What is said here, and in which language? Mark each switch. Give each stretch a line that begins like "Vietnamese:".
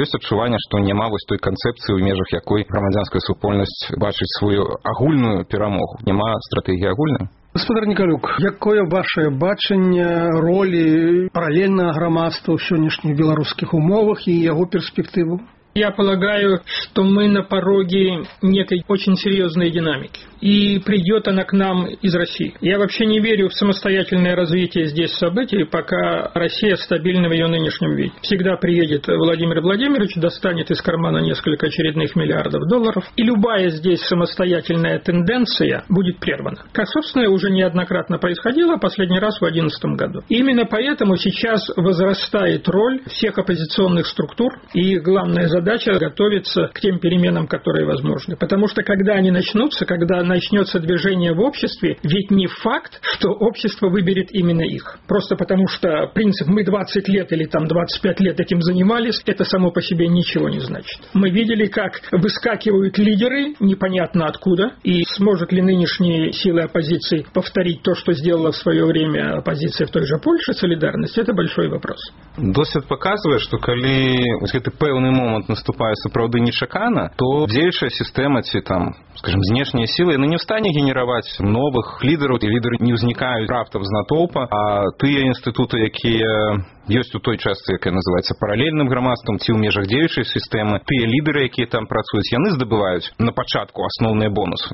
Belarusian: Ёсць адчуванне, што няма вось той канцэпцыі, у межах якой грамадзянская супольнасць бачыць сваю агульную перамогу. Няма стратэгіі агульнай. Господар Нікалюк, якое ваше бачанне ролі паралельнага грамадства ў сённяшніх беларускіх умовах і яго перспектыву?
Russian: Я полагаю, что мы на пороге некой очень серьезной динамики. И придет она к нам из России. Я вообще не верю в самостоятельное развитие здесь событий, пока Россия стабильна в ее нынешнем виде. Всегда приедет Владимир Владимирович, достанет из кармана несколько очередных миллиардов долларов, и любая здесь самостоятельная тенденция будет прервана. Как, собственно, уже неоднократно происходило, последний раз в 2011 году. И именно поэтому сейчас возрастает роль всех оппозиционных структур, и их главная задача готовиться к тем переменам, которые возможны. Потому что когда они начнутся, когда начнется движение в обществе, ведь не факт, что общество выберет именно их. Просто потому что принцип «мы 20 лет или там 25 лет этим занимались» — это само по себе ничего не значит. Мы видели, как выскакивают лидеры непонятно откуда, и сможет ли нынешние силы оппозиции повторить то, что сделала в свое время оппозиция в той же Польше, солидарность — это большой вопрос.
Belarusian: Досвід показывая, что коли это пэўны момант наступае сапраўды нечакана, то дзеючая сістэма ці там, скажам, знешнія сілы, яны не ў стане генераваць новых лідараў, і лідары не ўзнікаюць раптам з натоўпа, а тыя інстытуты, якія ёсць у той частцы, якая называецца паралельным грамадствам, ці ў межах дзеючай сістэмы, тыя лідары, якія там працуюць, яны здабываюць на пачатку асноўныя бонусы.